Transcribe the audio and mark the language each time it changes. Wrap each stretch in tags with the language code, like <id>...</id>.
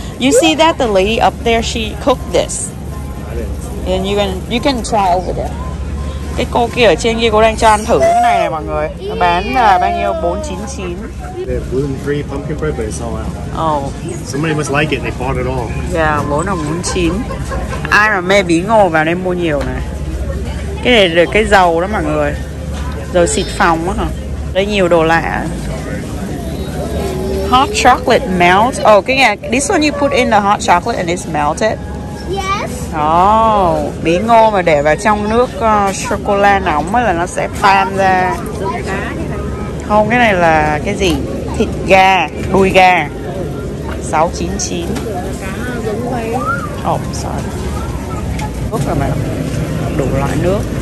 <en>You see that the lady up there, she cooked this. And you can try over there.</en> <vi>Cái cô kia ở trên kia cô đang cho ăn thử cái này này mọi người. Nó bán là bao nhiêu? 4.99.</vi> <en>They have gluten-free pumpkin bread, but it's all out. Oh. Somebody must like it, they bought it all. Yeah, 4.49.</en> <vi>Ai mà mê bí ngô vào đây mua nhiều này. Cái này được cái dầu đó mọi người. Dầu xịt phòng á hả? Đây nhiều đồ lạ.</vi> <en>Hot chocolate melt. Oh,</en> <vi>cái này,</vi> <en>this one you put in the hot chocolate and it's melted? Yes.</en> <vi>Oh, bí ngô mà để vào trong nước chocolate nóng là nó sẽ tan ra. Không, cái này là cái gì? Thịt gà, đùi gà. 6.99.</vi> <en>Oh, sorry.</en> <vi>Nước rồi mà đủ loại nước.</vi>